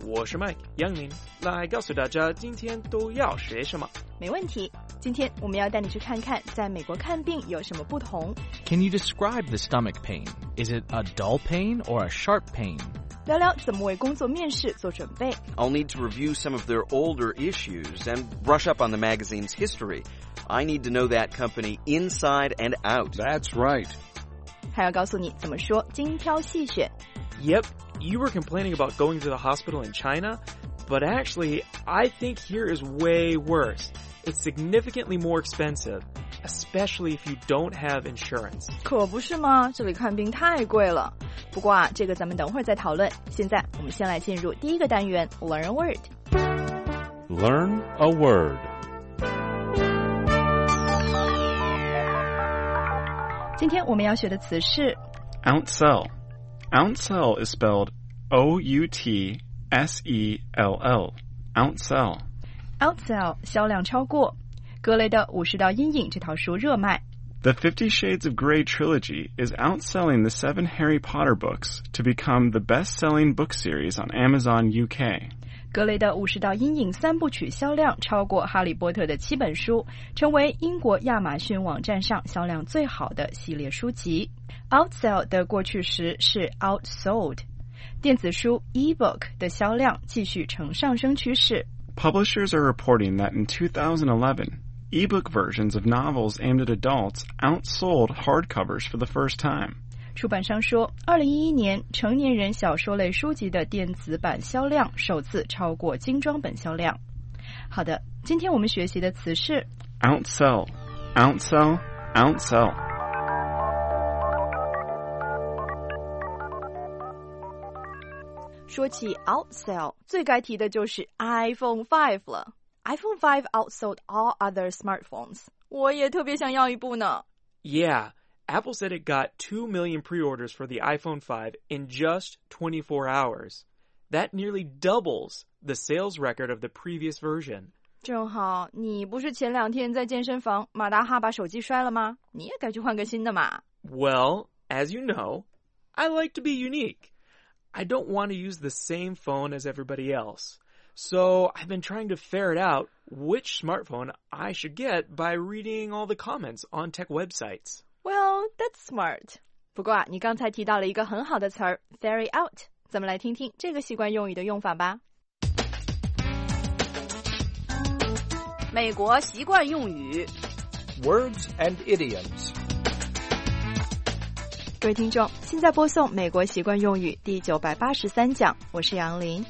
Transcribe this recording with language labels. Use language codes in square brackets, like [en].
[zh] 我是 Mike 杨林，来告诉大家今天都要学什么。没问题，今天我们要带你去看看在美国看病有什么不同。 [en] Can you describe the stomach pain? Is it a dull pain or a sharp pain? [zh] 聊聊怎么为工作面试做准备。 [en] I'll need to review some of their older issues and brush up on the magazine's history. I need to know that company inside and out. That's right. [zh] 还要告诉你怎么说精挑细选。 [en] Yep, you were complaining about going to the hospital in China, but actually, I think here is way worse. It's significantly more expensive, especially if you don't have insurance. [zh] 可不是吗？这里看病太贵了。不过啊，这个咱们等会儿再讨论。现在我们先来进入第一个单元 ， [en] Learn a word. Learn a word. [zh] 今天我们要学的词是 [en] ounce cell. Ounce cell is spelled O-U-T-S-E-L-L. Ounce cell. [zh] Ounce cell 销量超过格雷的《五十道阴影》这套书热卖。 [en] The Fifty Shades of Grey trilogy is outselling the 7 Harry Potter books to become the best-selling book series on Amazon UK. [zh] 格雷的五十道阴影三部曲销量超过哈利波特的七本书，成为英国亚马逊网站上销量最好的系列书籍。 Outsell 的过去时是 outsold. 电子书 e-book 的销量继续呈上升趋势。 [en] Publishers are reporting that in 2011,E-book versions of novels aimed at adults outsold hardcovers for the first time. [zh] 出版商说 ,2011 年成年人小说类书籍的电子版销量首次超过精装本销量。好的，今天我们学习的词是 [en] outsell, outsell, outsell. [zh] 说起 outsell, 最该提的就是 iPhone 5了。 [en] iPhone 5 outsold all other smartphones. [zh] 我也特别想要一部呢。 [en] Yeah, Apple said it got 2 million pre-orders for the iPhone 5 in just 24 hours. That nearly doubles the sales record of the previous version. [zh] 正好，你不是前两天在健身房马大哈把手机摔了吗？你也该去换个新的嘛。 [en] Well, as you know, I like to be unique. I don't want to use the same phone as everybody else. So, I've been trying to ferret out which smartphone I should get by reading all the comments on tech websites. Well, that's smart. [zh] 不过啊，你刚才提到了一个很好的词儿 ,ferret out. 咱们来听听这个习惯用语的用法吧。美国习惯用语 [en] Words and idioms. [zh] 各位听众，现在播送美国习惯用语第983讲，我是杨林。